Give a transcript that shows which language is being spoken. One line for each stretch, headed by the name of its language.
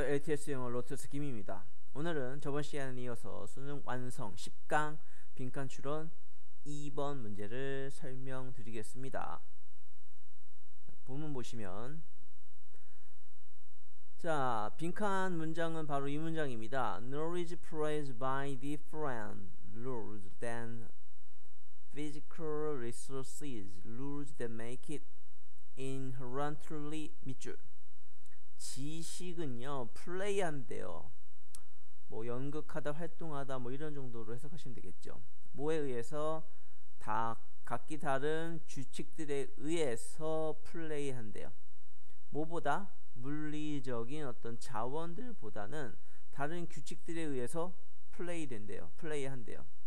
Korean: LTS 영어 로터스 김입니다. 오늘은 저번 시간에 이어서 수능 완성 10강 빈칸 추론 2번 문제를 설명드리겠습니다. 본문 보시면 자, 빈칸 문장은 바로 이 문장입니다.
English: Knowledge plays by different rules than physical resources, rules that make it inherently mutual.
Korean: 지식은요, 플레이한대요. 뭐 연극하다, 활동하다, 뭐 이런 정도로 해석하시면 되겠죠. 뭐에 의해서 다 각기 다른 규칙들에 의해서 플레이한대요. 뭐보다 물리적인 어떤 자원들보다는 다른 규칙들에 의해서 플레이된대요, 플레이한대요.